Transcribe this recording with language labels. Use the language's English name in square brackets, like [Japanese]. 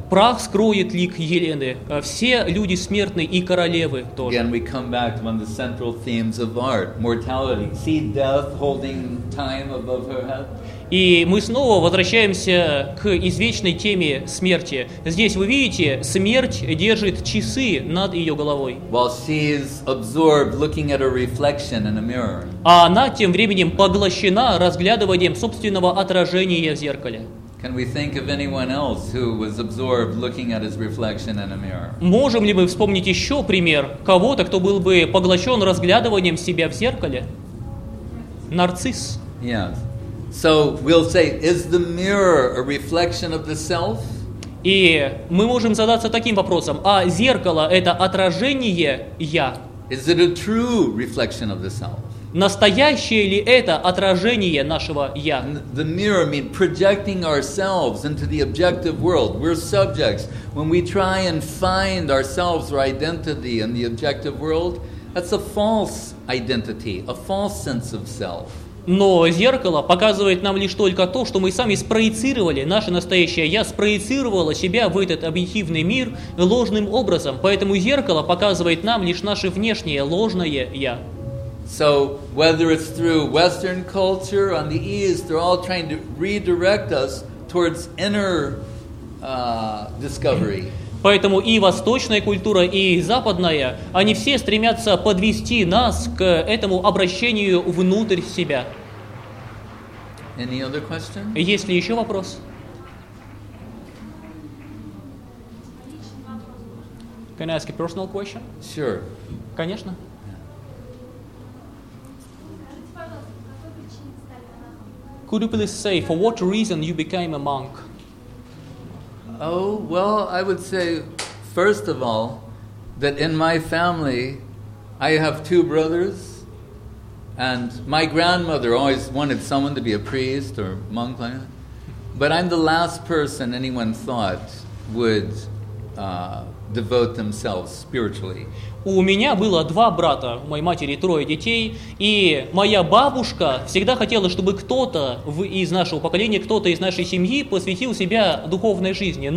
[Russian] Прах скроет лик Елены. Все люди смертны и королевы тоже. [English] Again, we come back to one of the central themes of art, mortality. See death holding time above her head. [Russian] И мы снова возвращаемся к извечной теме смерти. Здесь вы видите, смерть держит часы над ее головой. [English] While she is absorbed looking at a reflection in a mirror. [Russian] А она тем временем поглощена разглядыванием собственного отражения в зеркале. [English] Can we think of anyone else who was absorbed looking at his reflection in a mirror? [Russian] Можем ли мы вспомнить еще пример кого-то, кто был бы поглощен разглядыванием себя в зеркале? Нарцисс. [English] Yes. So we'll say, is the mirror a reflection of the self? [Russian] И мы можем задаться таким вопросом: а зеркало это отражение я? [English] Is it a true reflection of the self? [Russian] Настоящее ли это отражение нашего я? [English] The mirror means projecting ourselves into the objective world. We're subjects. When we try and find ourselves or identity in the objective world, that's a false identity, a false sense of self. [Russian] Но зеркало показывает нам лишь только то, что мы сами спроецировали, наше настоящее «я» спроецировало себя в этот объективный мир ложным образом. Поэтому зеркало показывает нам лишь наше внешнее ложное «я». [English] So, whether it's through Western culture on the East, they're all trying to redirect us towards inner discovery. [Russian] Поэтому и восточная культура, и западная, они все стремятся подвести нас к этому обращению внутрь себя. [English] Any other question? [Russian] Есть ли еще вопрос? [English] Can I ask a personal question? Sure. [Russian] Конечно. [English] Could you please say, for what reason you became a monk? Oh, well, I would say, first of all, that in my family, I have two brothers, and my grandmother always wanted someone to be a priest or monk, like that. But I'm the last person anyone thought would devote themselves spiritually. [Russian] У меня было два брата, у моей матери трое детей, и моя бабушка всегда хотела, чтобы кто-то из нашего поколения, кто-то из нашей семьи посвятил себя духовной жизни.